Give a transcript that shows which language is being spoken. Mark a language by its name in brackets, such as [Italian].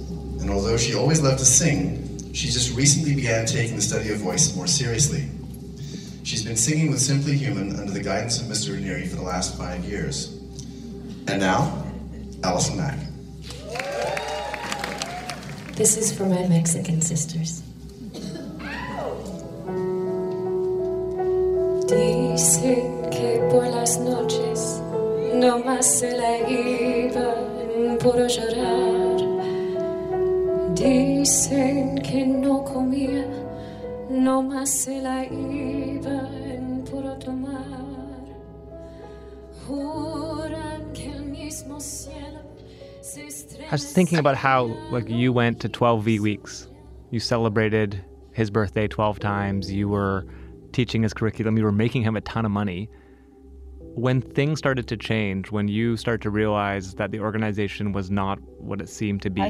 [English] And although she always loved to sing, she just recently began taking the study of voice more seriously. She's been singing with Simply Human under the guidance of Mr. Raniere for the last 5 years. And now, Allison Mack. This is for my Mexican sisters. [Spanish] Dice que por las noches no más se la iba por llorar. Dicen que no comía, no más se la iba en puro tomar. Juran que el mismo cielo se estremece. [English] I was thinking about how, like, you went to 12 V weeks. You celebrated his birthday 12 times. You were teaching his curriculum. You were making him a ton of money. When things started to change, when you started to realize that the organization was not what it seemed to be.